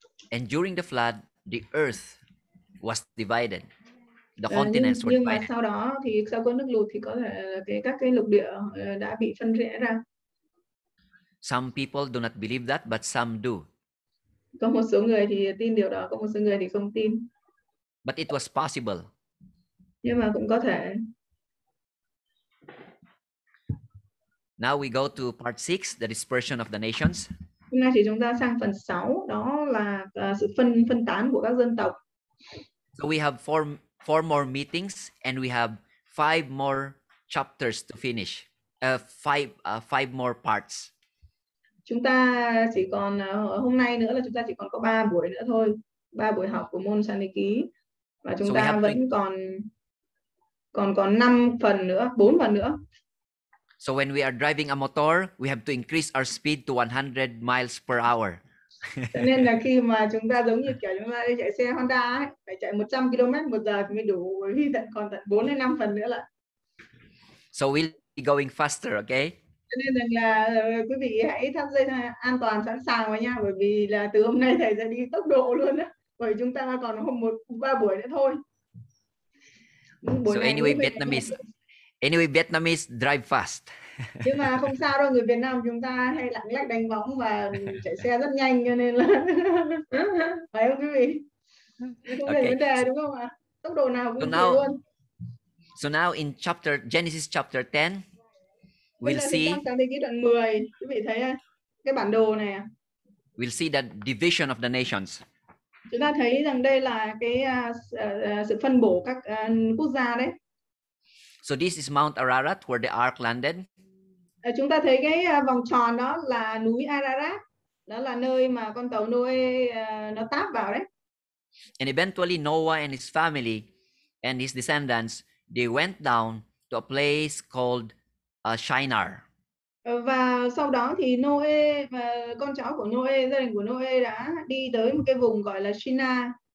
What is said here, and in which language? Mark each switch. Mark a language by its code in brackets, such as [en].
[en] And during the flood, the earth was divided. The continents were divided. [vi] Nhưng mà sau đó thì sau cơn nước lụt thì có thể các cái lục địa đã bị phân rẽ ra. [en] Some people do not believe that, but some do. [vi] Có một số người thì tin điều đó, có một số người thì không tin. [en] But it was possible. [vi] Nhưng mà cũng có thể. [en] Now we go to part 6, the dispersion of the nations. [vi] Hôm nay thì chúng ta sang phần 6, đó là sự phân tán của các dân tộc. [en] So we have four more meetings and we have five more chapters to finish. Five more parts. [vi] Chúng ta chỉ còn hôm nay nữa là chúng ta chỉ còn có 3 buổi nữa thôi, 3 buổi học của môn Sáng Thế Ký. Và chúng ta vẫn còn 5 phần nữa, 4 phần nữa. [en] So when we are driving a motor, we have to increase our speed to 100 miles per hour. [vi] Nên là khi mà chúng ta giống như kiểu chúng ta đi chạy xe Honda ấy, phải chạy 100 km một giờ thì mới đủ, thì còn tận 4 hay 5 phần nữa là. [en] So we'll be going faster, okay? [vi] Nên rằng là quý vị hãy thắt dây an toàn sẵn sàng vào nha, bởi vì là từ hôm nay thầy sẽ đi tốc độ luôn á, bởi chúng ta còn hôm 1-3 buổi nữa thôi. [en] So anyway, Vietnamese drive fast. [vi] Nhưng mà không sao đâu, người Việt Nam chúng ta hay lạng lách đánh võng và chạy xe rất nhanh, cho nên là phải không quý vị? Không phải vấn đề đúng không ạ? Tốc độ nào cũng được luôn. [en] So now in chapter Genesis chapter 10, we'll see. [vi] Sáng Thế Ký đoạn 10, quý vị thấy cái bản đồ này. [en] We'll see the division of the nations. [vi] Chúng ta thấy rằng đây là cái sự phân bổ các quốc gia đấy. [en] So this is Mount Ararat where the ark landed. [vi] Chúng ta thấy cái vòng tròn đó là núi Ararat. Đó là nơi mà con tàu Noe nó táp vào đấy. [en] And eventually Noah and his family and his descendants, they went down to a place called Shinar. [vi] Và sau đó thì Noe và con cháu của Noe, gia đình của Noe đã đi tới một cái vùng gọi là Shinar.